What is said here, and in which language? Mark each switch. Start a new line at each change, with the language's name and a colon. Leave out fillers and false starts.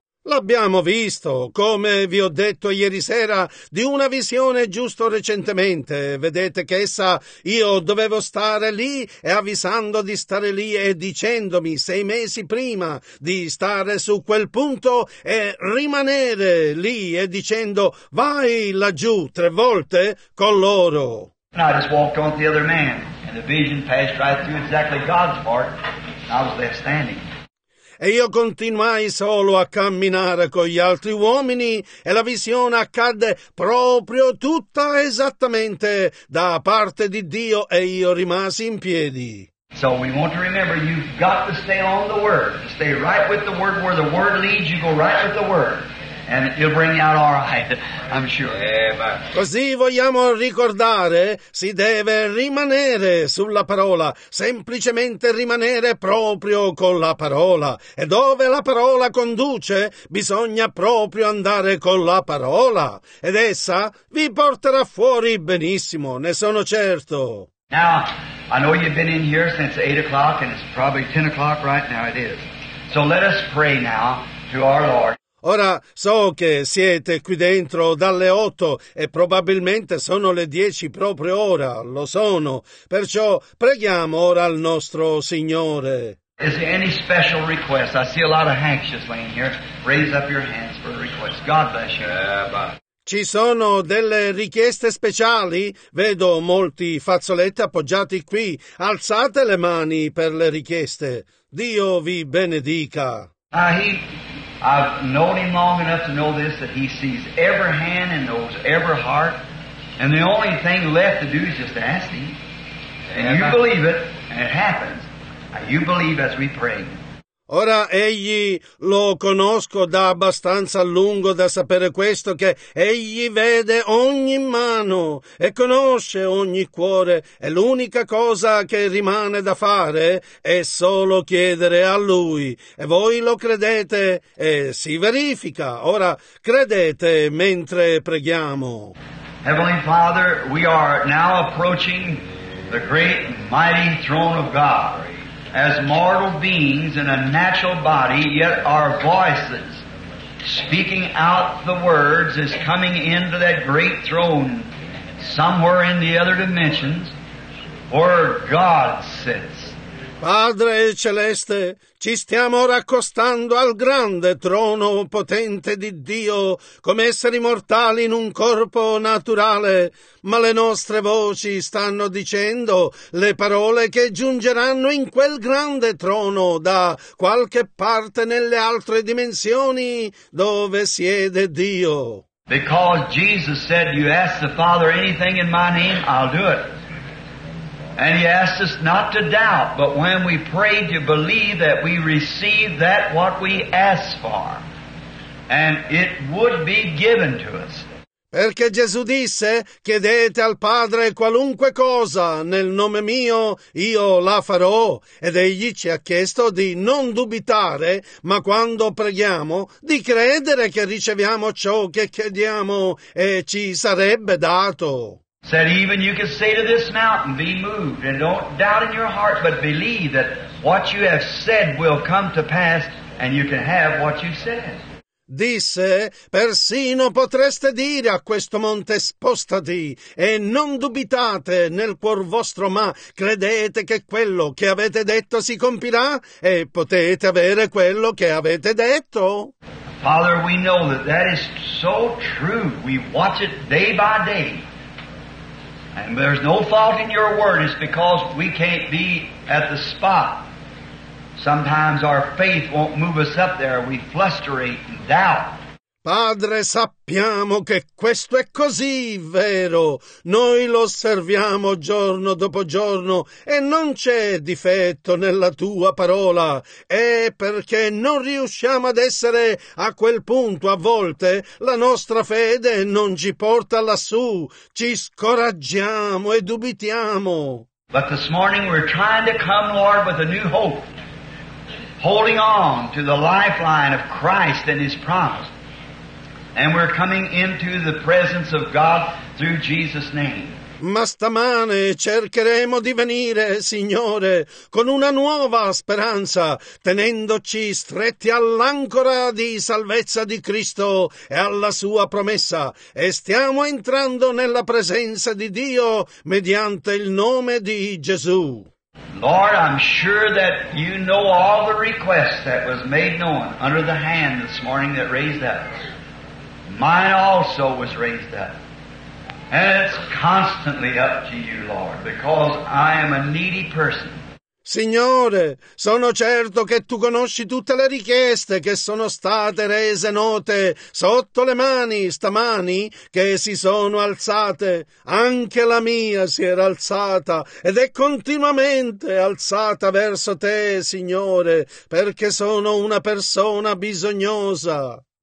Italian: L'abbiamo visto, come vi ho detto ieri sera, di una visione giusto recentemente. Vedete che essa, io dovevo stare lì e avvisando di stare lì e dicendomi 6 mesi prima di stare su quel punto e rimanere lì e dicendo vai laggiù 3 volte con loro.
English: And I just walked on the other man and the vision passed right through exactly God's heart and I was left standing.
Italian: E io continuai solo a camminare con gli altri uomini e la visione accadde proprio tutta esattamente da parte di Dio e io rimasi in piedi.
English: So we want to remember you've got to stay on the Word. Stay right with the Word. Where the Word leads, you go right with the Word. And it'll bring you out all right, I'm sure.
Italian: Così vogliamo ricordare, si deve rimanere sulla parola, semplicemente rimanere proprio con la parola. E dove la parola conduce, bisogna proprio andare con la parola. Ed essa vi porterà fuori benissimo, ne sono certo.
English: Now, I know you've been in here since 8 o'clock, and it's probably 10 o'clock right now, it is. So let us pray now to our Lord.
Italian: Ora so che siete qui dentro dalle 8 e probabilmente sono le 10 proprio ora, lo sono. Perciò preghiamo ora al nostro Signore.
English: Is there any special request? I see a lot of anxious laying here. Raise up your hands for a request. God bless you.
Italian: Ci sono delle richieste speciali? Vedo molti fazzoletti appoggiati qui. Alzate le mani per le richieste. Dio vi benedica.
English: I've known him long enough to know this, that he sees every hand and knows every heart. And the only thing left to do is just ask him. And you believe it, and it happens. You believe as we pray.
Italian: Ora egli lo conosco da abbastanza lungo da sapere questo, che egli vede ogni mano e conosce ogni cuore. E l'unica cosa che rimane da fare è solo chiedere a lui. E voi lo credete e si verifica. Ora credete mentre preghiamo.
English: Heavenly Father, we are now approaching the great mighty throne of God. As mortal beings in a natural body, yet our voices speaking out the words is coming into that great throne somewhere in the other dimensions where God sits.
Italian: Padre Celeste, ci stiamo ora accostando al grande trono potente di Dio come esseri mortali in un corpo naturale, ma le nostre voci stanno dicendo le parole che giungeranno in quel grande trono da qualche parte nelle altre dimensioni dove siede Dio.
English: Because Jesus said, you ask the Father anything in my name, I'll do it. And he asked us not to doubt, but when we pray to believe that we receive that what we ask for, and it would be given to us.
Italian: Perché Gesù disse, chiedete al Padre qualunque cosa nel nome mio, io la farò. Ed egli ci ha chiesto di non dubitare, ma quando preghiamo, di credere che riceviamo ciò che chiediamo e ci sarebbe dato.
English: Said even you can say to this mountain, be moved, and don't doubt in your heart, but believe that what you have said will come to pass, and you can have what you said.
Italian: Disse, persino potreste dire a questo monte, spostati, e non dubitate nel cuor vostro, ma credete che quello che avete detto si compirà, e potete avere quello che avete detto.
English: Father, we know that that is so true. We watch it day by day. And there's no fault in your word, it's because we can't be at the spot. Sometimes our faith won't move us up there, we flusterate and doubt.
Italian: Padre, sappiamo che questo è così vero. Noi lo osserviamo giorno dopo giorno e non c'è difetto nella tua parola. È perché non riusciamo ad essere a quel punto. A volte la nostra fede non ci porta lassù. Ci scoraggiamo e dubitiamo.
English: But this morning we're trying to come, Lord, with a new hope. Holding on to the lifeline of Christ and His promise. And we're coming into the presence of God through Jesus' name.
Italian: ma stamane cercheremo di venire, Signore, con una nuova speranza, tenendoci stretti all'ancora di salvezza di Cristo e alla sua promessa, e stiamo entrando nella presenza di Dio mediante il nome di Gesù.
English: Lord, I'm sure that you know all the requests that was made known under the hand this morning that raised up. Mine also was raised up. And it's constantly up to you, Lord, because I am a needy person.
Italian: Signore, sono certo che tu conosci tutte le richieste che sono state rese note sotto le mani stamani che si sono alzate. Anche la mia si era alzata ed è continuamente alzata verso te, Signore, perché sono una persona bisognosa.